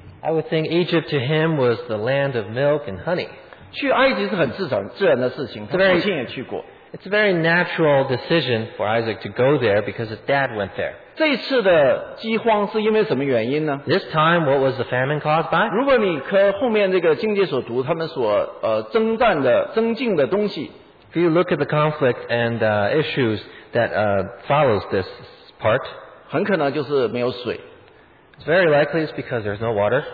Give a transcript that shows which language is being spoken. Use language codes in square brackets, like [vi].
[en] I would think Egypt to him was the land of milk and honey. [zh] 去埃及是很自然的事情，他父亲也去过。 [en] It's a very natural decision for Isaac to go there because his dad went there. [zh] 这次的饥荒是因为什么原因呢 [en] This time, what was the famine caused by? [zh] 如果你和后面这个经节所读他们所征战的征进的东西 [en] If you look at the conflict and issues that follows this part, [zh] 很可能就是没有水 [en] It's very likely it's because there's no water,